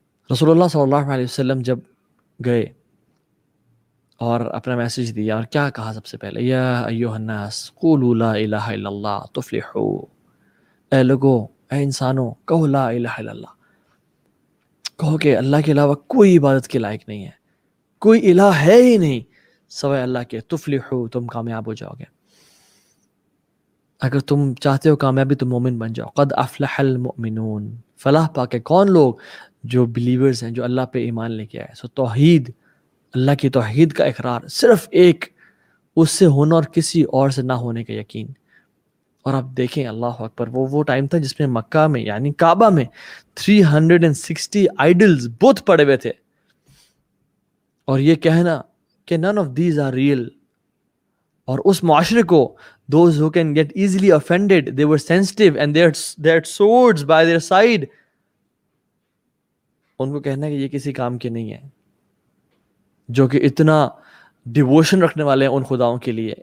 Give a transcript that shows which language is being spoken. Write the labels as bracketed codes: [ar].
[ur] رسول اللہ صلی اللہ علیہ وسلم جب گئے اور اپنا میسج دیا اور کیا کہا سب سے پہلے, [ar] یا ایوہ الناس قولوا لا الہ الا اللہ تفلحوا, [ur] اے لوگو اے انسانوں کہو لا الہ الا اللہ, کہو کہ اللہ کے علاوہ کوئی عبادت کے لائق نہیں ہے, کوئی الہ ہے ہی نہیں سوائے اللہ کے, تفلحوا تم کامیاب ہو جاؤ گے. اگر تم چاہتے ہو کامیابی تو مومن بن جاؤ. [ar] قد افلح المؤمنون, [ur] فلاح پا کے کون لوگ, جو بلیورز ہیں, جو اللہ پہ ایمان لے کے آئے. سو توحید, اللہ کی توحید کا اقرار صرف ایک, اس سے ہونا اور کسی اور سے نہ ہونے کا یقین. اور اب دیکھیں اللہ اکبر, وہ ٹائم تھا جس میں مکہ میں یعنی کعبہ میں 360 آئیڈلز بت پڑے ہوئے تھے, اور یہ کہنا کہ [en] none of these are real, [ur] اور اس معاشرے کو [en] those who can get easily offended, they were sensitive and they had swords by their side, [ur] ان کو کہنا کہ یہ کسی کام کے نہیں ہے, جو کہ اتنا ڈیووشن رکھنے والے ہیں ان خداؤں کے لیے.